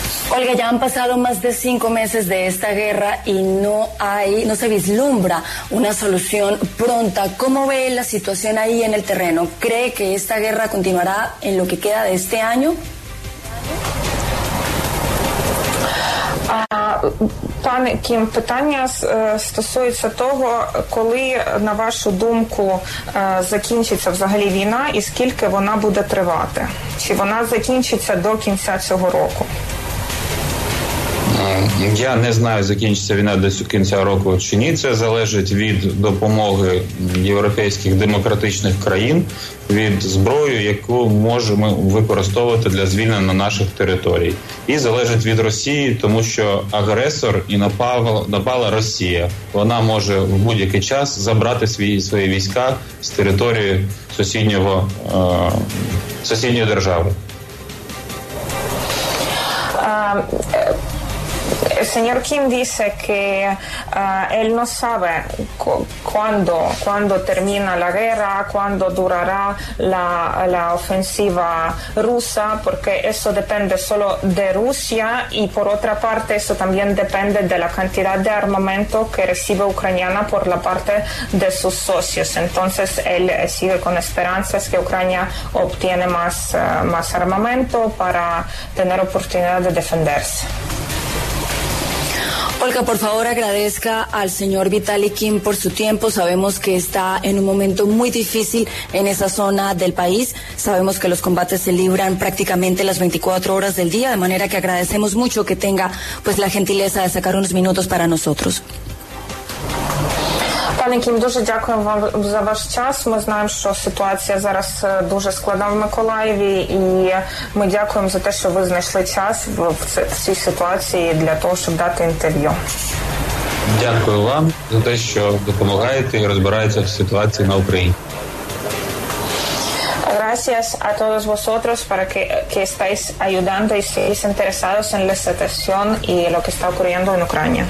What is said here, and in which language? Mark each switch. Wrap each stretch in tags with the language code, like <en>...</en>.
<es>Olga, ya han pasado más de 5 meses de esta guerra y no se vislumbra una solución pronta. ¿Cómo ve la situación ahí en el terreno? ¿Cree que esta guerra continuará en lo que queda de este año?</es> <uk>Пане Кім, питання стосується того, коли, на вашу думку, закінчиться взагалі війна і скільки вона буде тривати? Чи вона закінчиться до кінця цього року? Я не знаю, закінчиться війна до кінця року чи ні. Це залежить від допомоги європейських демократичних країн, від зброї, яку можемо використовувати для звільнення наших територій. І залежить від Росії, тому що агресор і напала Росія. Вона може в будь-який час забрати свої війська з території сусідньої держави.</uk> <es>El señor Kim dice que él no sabe cuándo termina la guerra, cuándo durará la ofensiva rusa, porque eso depende solo de Rusia y por otra parte eso también depende de la cantidad de armamento que recibe Ucrania por la parte de sus socios. Entonces él sigue con esperanzas que Ucrania obtiene más armamento para tener oportunidad de defenderse. Olga, por favor, agradezca al señor Vitaly Kim por su tiempo. Sabemos que está en un momento muy difícil en esa zona del país. Sabemos que los combates se libran prácticamente las 24 horas del día, de manera que agradecemos mucho que tenga pues la gentileza de sacar unos minutos para nosotros.</es> <uk>Пане Кім, дуже дякуємо вам за ваш час. Ми знаємо, що ситуація зараз дуже складна в Миколаєві, і ми дякуємо за те, що ви знайшли час в цій ситуації для того, щоб дати інтерв'ю. Дякую вам за те, що допомагаєте і розбираєтеся в ситуації на Україні.</uk> <es>Gracias a todos vosotros para que estáis ayudando y seáis interesados en la situación y lo que está ocurriendo en Ucrania.</es>